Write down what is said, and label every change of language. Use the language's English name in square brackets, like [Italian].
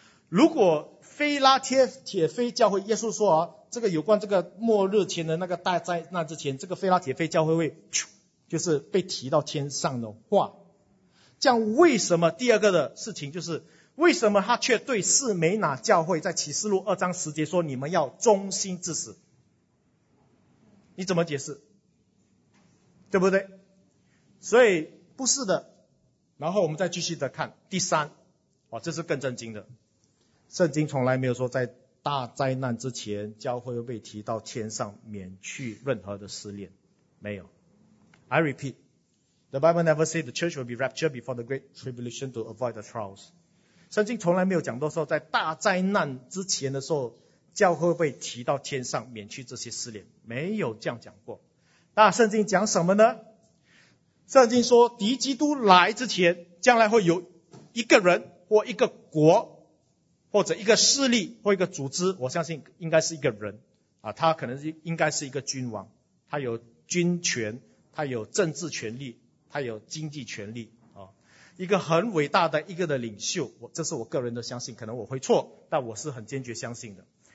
[Chinese] 如果非拉贴铁非教会，耶稣说这个有关这个末日前的那个大灾难之前，这个非拉铁非教会会就是被提到天上的话，这样为什么第二个的事情就是为什么他却对士美拿教会在启示录2章10节说你们要忠心至死？你怎么解释？对不对？所以不是的。然后我们再继续的看第3，这是更震惊的。圣经从来没有说在大灾难之前教会会被提到天上免去任何的试炼，没有。 [English] I repeat, The Bible never said the church will be raptured before the great tribulation to avoid the trials. [Chinese] 圣经从来没有讲到说在大灾难之前的时候教会会被提到天上免去这些试炼，没有这样讲过。那圣经讲什么呢？圣经说敌基督来之前，将来会有一个人或一个国或者一个势力或一个组织，我相信应该是一个人他可能应该是一个君王，他有军权，他有政治权力，他有经济权力一个很伟大的一个的领袖，这是我个人的相信，可能我会错，但我是很坚决相信的。